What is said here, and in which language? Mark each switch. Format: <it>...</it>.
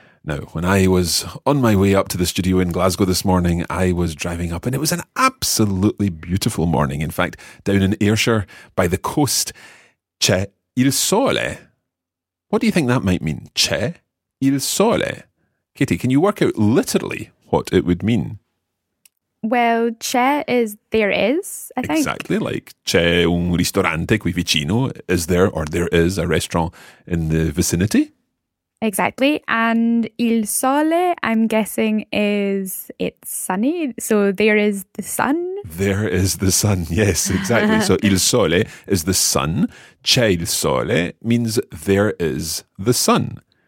<en>Now, when I was on my way up to the studio in Glasgow this morning, I was driving up and it was an absolutely beautiful morning. In fact, down in Ayrshire by the coast,</en> <it>c'è il sole.</it> <en>What do you think that might mean?</en> <it>C'è il sole.</it> <en>Katie, can you work out literally what it would mean? Well, c'è is there is, I think. Exactly, like</en> <it>c'è un ristorante qui vicino.</it> <en>Is there or there is a restaurant in the vicinity? Exactly. And</en> <it>il sole,</it> <en>I'm guessing, is it's sunny. So there is the sun. There is the sun. Yes, exactly. So</en> <it>il sole</it> <en>is the sun.</en> <it>C'è il sole</it> <en>means there is the sun.</en>